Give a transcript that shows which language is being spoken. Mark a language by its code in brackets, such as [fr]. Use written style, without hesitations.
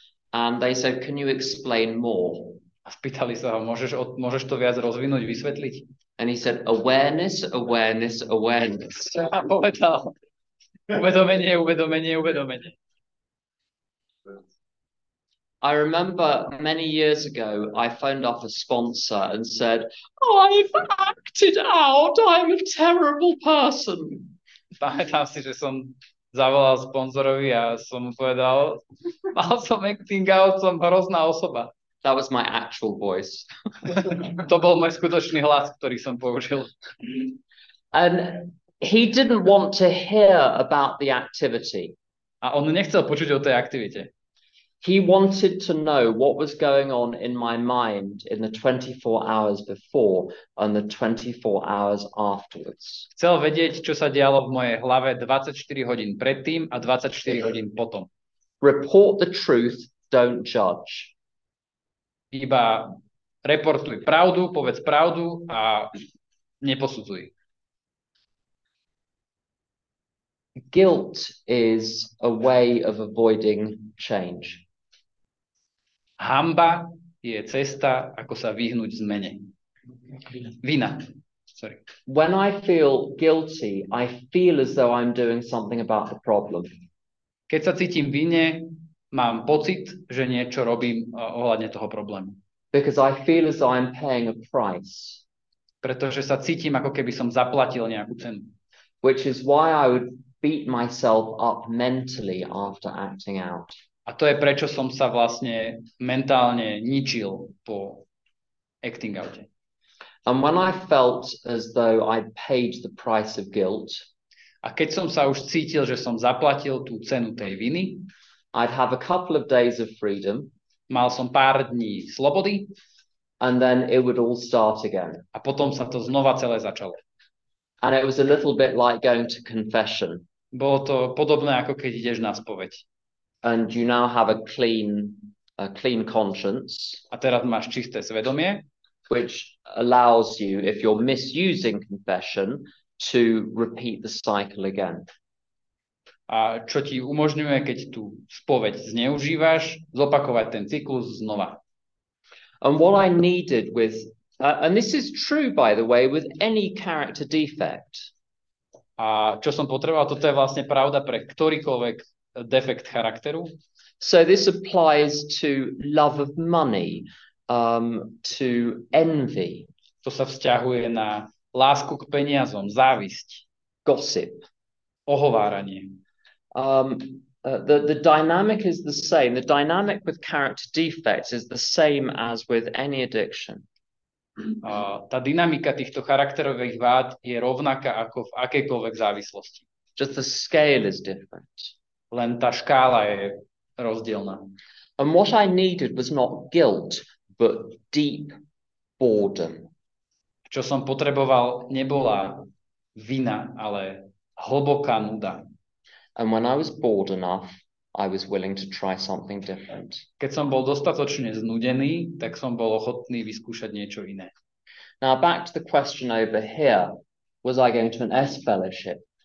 [en] And they said, can you explain more? [sk] A spýtali sa ho, môžeš to viac rozvinúť, vysvetliť? [en] And he said, awareness, awareness, awareness. [sk] A povedal, uvedomenie, uvedomenie, uvedomenie. [en] I remember many years ago, I phoned up a sponsor and said, I've acted out, I'm a terrible person. [sk] Pamätám si, že som zavolal sponzorovi a som povedal, mal som acting out, som hrozná osoba. [en] That was my actual voice. [sk] To bol môj skutočný hlas, ktorý som použil. [en] And he didn't want to hear about the activity. [sk] A on nechcel počuť o tej aktivite. [en] He wanted to know what was going on in my mind in the 24 hours before and the 24 hours afterwards. [sk] Chcel vedieť, čo sa dialo v mojej hlave 24 hodín predtým a 24 hodín potom. [en] Report the truth, don't judge. [sk] Iba reportuj pravdu, povedz pravdu a neposudzuj. [en] Guilt is a way of avoiding change. [sk] Hanba je cesta, ako sa vyhnúť zmene. Vina. [en] Sorry. When I feel guilty, I feel as though I'm doing something about the problem. [sk] Keď sa cítim vine, mám pocit, že niečo robím ohľadne toho problému. [en] Because I feel as though I'm paying a price. [sk] Pretože sa cítim, ako keby som zaplatil nejakú cenu. [en] Which is why I would beat myself up mentally after acting out. [sk] A to je, prečo som sa vlastne mentálne ničil po acting oute. [en] And when I felt as though I paid the price of guilt, [sk] a keď som sa už cítil, že som zaplatil tú cenu tej viny, [en] I'd have a couple of days of freedom, [sk] mal som pár dní slobody, [en] and then it would all start again. [sk] A potom sa to znova celé začalo. [en] And it was a little bit like going to confession. [sk] Bolo to podobné, ako keď ideš na spoveď. [en] And you now have a clean conscience. [sk] A teraz máš čisté svedomie, [en] which allows you, if you're misusing confession, to repeat the cycle again. [sk] A čo ti umožňuje, keď tú spoveď zneužívaš, zopakovať ten cyklus znova. [en] And what I needed with And this is true, by the way, with any character defect. [sk] A čo som potreboval, toto je vlastne pravda pre ktorýkoľvek defekt charakteru. [en] So this applies to love of money, to envy. [sk] To sa vzťahuje na lásku k peniazom, závisť. [en] Gossip. [sk] Ohováranie. [en] The dynamic is the same. The dynamic with character defects is the same as with any addiction. [sk] Tá dynamika týchto charakterových vád je rovnaká ako v akejkoľvek závislosti. [en] Just the scale is different. [sk] Len tá škála je rozdielna. [en] And what I needed was not guilt, but deep boredom. [sk] Čo som potreboval, nebola vina, ale hlboká nuda. [en] And when I was bored enough, I was willing to try something different. [sk] Keď som bol dostatočne znudený, tak som bol ochotný vyskúšať niečo iné. [en] Now back to the question over here. Was I going to an S fellowship?